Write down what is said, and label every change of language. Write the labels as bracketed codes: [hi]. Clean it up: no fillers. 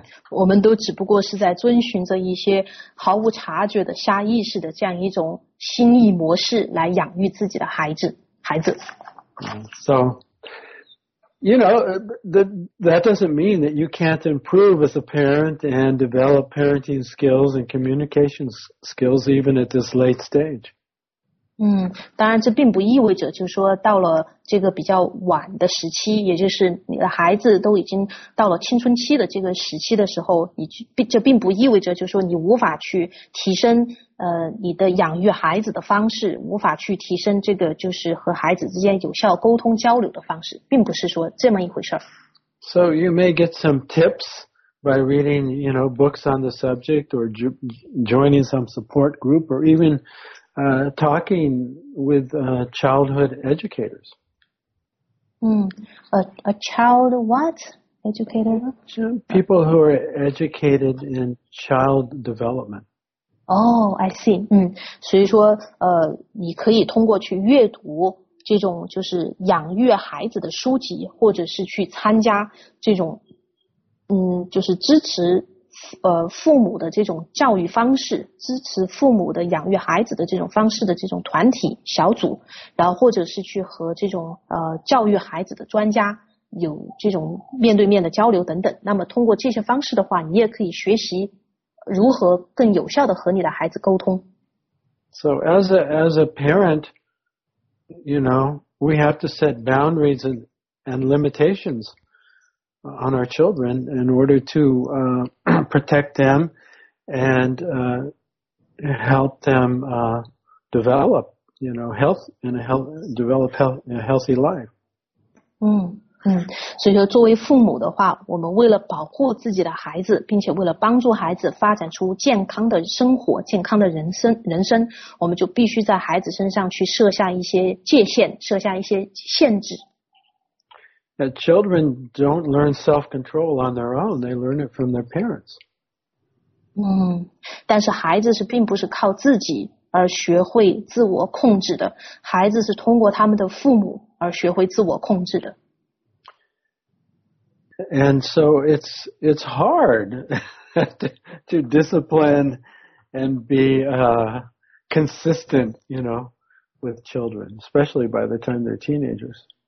[zh] 我们都只不过是在遵循着一些毫无察觉的下意识的这样一种心意模式来养育自己的孩子。 [en] So, you know, that doesn't mean that you can't improve as a parent and develop parenting skills and communication skills even at this late stage. [zh] 当然这并不意味着就是说到了这个比较晚的时期，也就是你的孩子都已经到了青春期的这个时期的时候，这并不意味着就是说你无法去提升你的养育孩子的方式，无法去提升这个就是和孩子之间有效沟通交流的方式，并不是说这么一回事。 [en] So you may get some tips by reading, you know, books on the subject or joining some support group or evenTalking with childhood educators. A child what? Educator? People who are educated in child development. Oh, I see. [zh] 所以说你可以通过去阅读这种就是养育孩子的书籍，或者是去参加这种就是支持父母的这种教育方式，支持父母的养育孩子的这种方式的这种团体小组，然后或者是去和这种教育孩子的专家有这种面对面的交流等等。那么通过这些方式的话，你也可以学习如何更有效的和你的孩子沟通。 [en] So as a parent, you know, we have to set boundaries and limitations on our children in order to protect them and help them develop, you know, health and develop a healthy life. [zh] 所以说作为父母的话，我们为了保护自己的孩子，并且为了帮助孩子发展出健康的生活，健康的人生，我们就必须在孩子身上去设下一些界限，设下一些限制。 [en] Children don't learn self-control on their own, they learn it from their parents. [zh] 但是孩子是并不是靠自己而学会自我控制的，孩子是通过他们的父母而学会自我控制的。 [en] And so it's hard to discipline and be consistent, you know, with children, especially by the time they're teenagers.